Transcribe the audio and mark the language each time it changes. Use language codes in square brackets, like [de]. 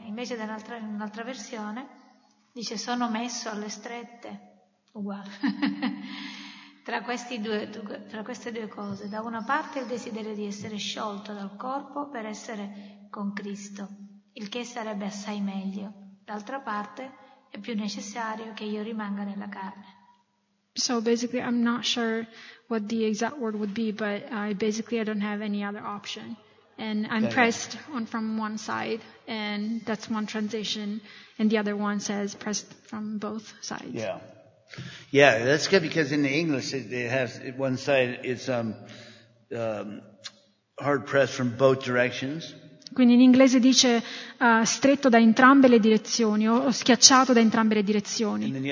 [it] Invece in un'altra versione dice sono messo alle strette, uguale, tra queste due cose, da una parte il desiderio di essere sciolto dal corpo per essere con Cristo, il che sarebbe assai meglio. D'altra parte è più necessario che io rimanga nella carne. [en] So basically I'm not sure what the exact word would be, but I don't have any other option. And I'm okay. Pressed on from one side, and that's one translation, and the other one says pressed from both sides. Yeah. Yeah, that's good because in the English it has one side it's hard pressed from both directions. [it] Quindi in inglese dice stretto da entrambe le direzioni o schiacciato da entrambe le direzioni.